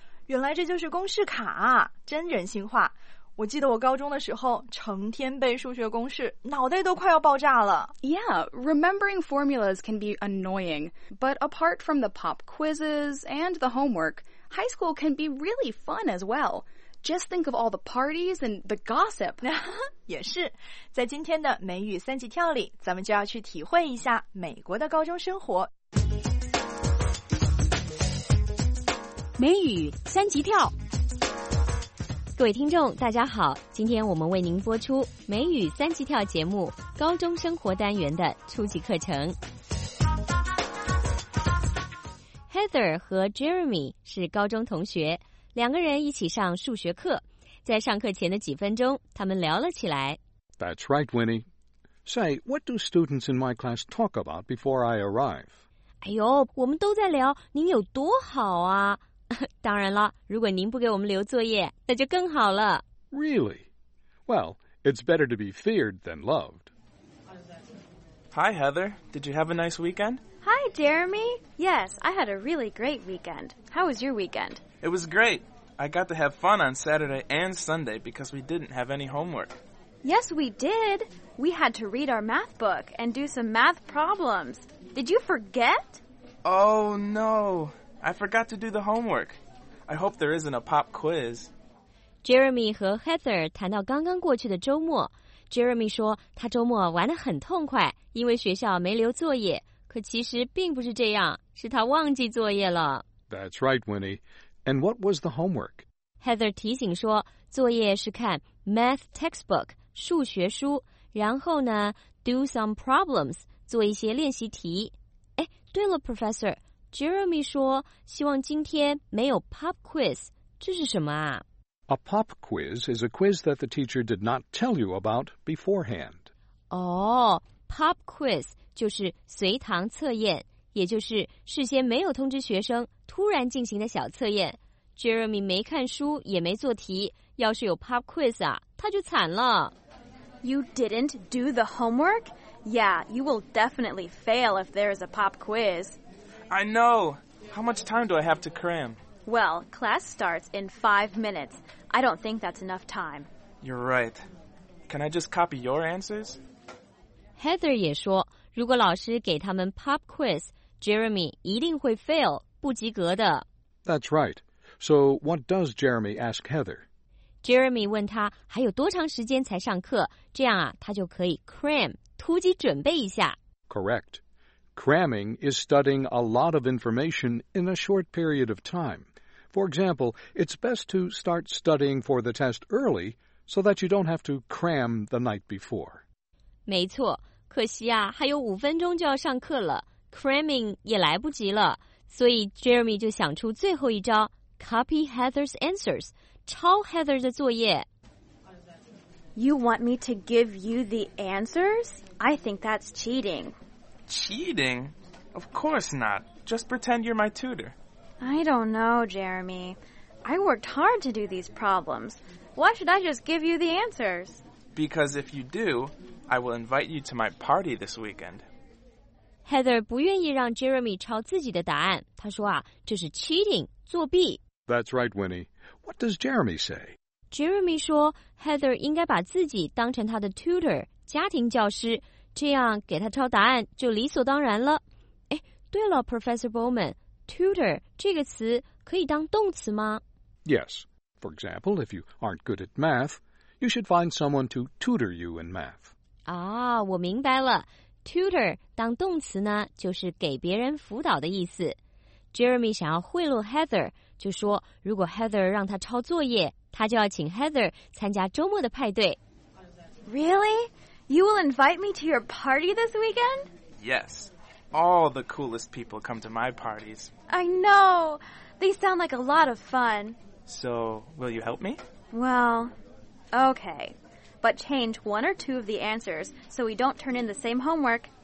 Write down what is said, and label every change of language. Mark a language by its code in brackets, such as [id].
[zh] 原来这就是公式卡啊，真人性化。我记得我高中的时候，成天背数学公式，脑袋都快要爆炸了。 [en] Yeah, remembering formulas can be annoying, but apart from the pop quizzes and the homework, high school can be really fun as well. Just think of all the parties and the gossip. [zh] 也是，在今天的美语三级跳里，咱们就要去体会一下美国的高中生活。美语三级跳。各位听众大家好，今天我们为您播出美语三级跳节目高中生活单元的初级课程。 Heather 和 Jeremy 是高中同学，两个人一起上数学课，在上课前的几分钟他们聊了起来。 [en] That's right, Winnie. Say, what do students in my class talk about before I arrive? [zh] 哎呦，我们都在聊您有多好啊。当然了，如果您不给我们留作业，那就更好了。 [en] Really? Well, it's better to be feared than loved. Hi, Heather. Did you have a nice weekend? Hi, Jeremy. Yes, I had a really great weekend. How was your weekend? It was great. I got to have fun on Saturday and Sunday because we didn't have any homework. Yes, we did. We had to read our math book and do some math problems. Did you forget? Oh, no. I forgot to do the homework. I hope there isn't a pop quiz. [zh] Jeremy 和 Heather 谈到刚刚过去的周末。Jeremy 说他周末玩得很痛快，因为学校没留作业。可其实并不是这样，是他忘记作业了。 [en] That's right, Winnie. And what was the homework? [zh] Heather 提醒说，作业是看 math textbook, 数学书，然后呢 [en] do some problems, [zh] 做一些练习题。哎，对了 Professor,Jeremy 说希望今天没有 pop quiz， 这是什么啊？ [en] A pop quiz is a quiz that the teacher did not tell you about beforehand. [zh] 哦， pop quiz 就是随堂测验，也就是事先没有通知学生突然进行的小测验。 Jeremy 没看书也没做题，要是有 pop quiz 啊，他就惨了。 [en] You didn't do the homework? Yeah, you will definitely fail if there is a pop quiz. I know. How much time do I have to cram? Well, class starts in 5 minutes. I don't think that's enough time. You're right. Can I just copy your answers? [zh] Heather 也说，如果老师给他们 pop quiz, Jeremy 一定会 fail, 不及格的。 [en] That's right. So what does Jeremy ask Heather? [zh] Jeremy 问他还有多长时间才上课，这样啊，他就可以 cram 突击准备一下。 [en] Correct. Cramming is studying a lot of information in a short period of time. For example, it's best to start studying for the test early so that you don't have to cram the night before. [zh] 没错，可惜啊，还有五分钟就要上课了 ，cramming 也来不及了，所以 Jeremy 就想出最后一招 ， [en] copy Heather's answers。 [zh] 抄 Heather 的作业。 [en] You want me to give you the answers? I think that's cheating. Cheating? Of course not. Just pretend you're my tutor. I don't know, Jeremy. I worked hard to do these problems. Why should I just give you the answers? Because if you do, I will invite you to my party this weekend. [zh] Heather 不愿意让 Jeremy 抄自己的答案。她说啊，这是 cheating, 作弊。 [en] That's right, Winnie. What does Jeremy say? [zh] Jeremy 说 Heather 应该把自己当成他的 tutor, 家庭教师，这样给他抄答案就理所当然了。哎，对了 ,Professor Bowman, tutor 这个词可以当动词吗？ [en] Yes. For example, if you aren't good at math, you should find someone to tutor you in math. [zh] 啊，我明白了。 Tutor 当动词呢，就是给别人辅导的意思。 Jeremy 想要贿赂 Heather, 就说如果 Heather 让他抄作业，他就要请 Heather 参加周末的派对。 [en] Really? You will invite me to your party this weekend? Yes. All the coolest people come to my parties. I know. They sound like a lot of fun. So, will you help me? Well, okay. But change one or two of the answers so we don't turn in the same homework.